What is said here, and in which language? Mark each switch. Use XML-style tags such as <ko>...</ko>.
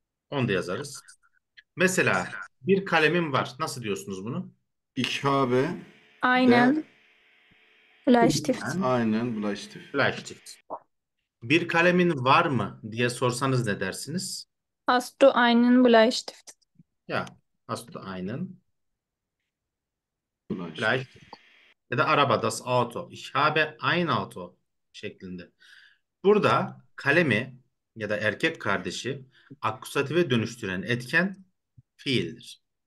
<tr>Onu da yazarız. Mesela bir kalemim var. Nasıl diyorsunuz bunu?</tr> <de>Ich habe der</de> <tr>Aynen. Bleistift. ben aynen Bleistift.</tr> <de>Bleistift.</de> <tr>Bir kalemin var mı diye sorsanız ne dersiniz?</tr> <de>Hast du einen Bleistift? Ya hast du einen Bleistift.</de> <tr>Bleistift. Ya da araba das Auto.</tr> <de>Ich habe ein Auto şeklinde.</de> <tr>Burada kalemi ya da erkek kardeşi akkusatife dönüştüren etken fiildir.</tr>